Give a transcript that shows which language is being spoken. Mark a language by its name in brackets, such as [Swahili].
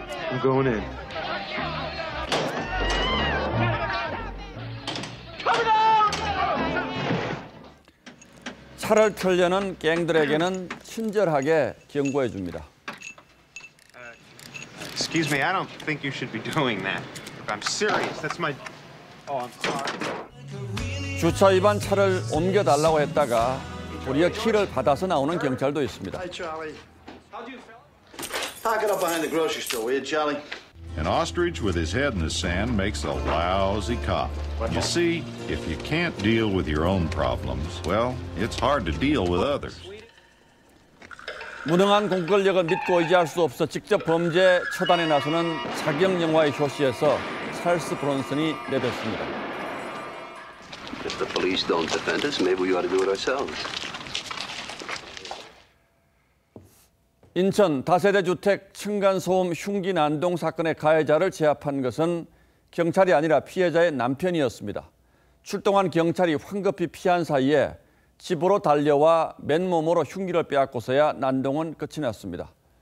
[English] I'm going in. Come down! [Korean] 차를 틀려는 갱들에게는 친절하게 경고해줍니다. [English] Excuse me, I don't think you should be doing that. I'm serious. That's my... Oh, I'm sorry. [Korean] 주차 위반 차를 옮겨달라고 했다가 도리어 키를 받아서 나오는 경찰도 있습니다. [English] An ostrich with his head in the sand makes a lousy cop. You see, if you can't deal with your own problems, well, it's hard to deal with others. [Korean] 무능한 공권력은 믿고 의지할 수 없어 직접 범죄 처단에 나서는 사경 영화의 효시에서 찰스 브론슨이 내뱉습니다. [English] If the police don't defend us, maybe we ought to do it ourselves. [Korean] 인천 다세대 주택 층간 소음 흉기 난동 사건의 가해자를 제압한 것은 경찰이 아니라 피해자의 남편이었습니다. 출동한 경찰이 황급히 피한 사이에 집으로 달려와 맨몸으로 흉기를 빼앗고서야 난동은 끝이 났습니다.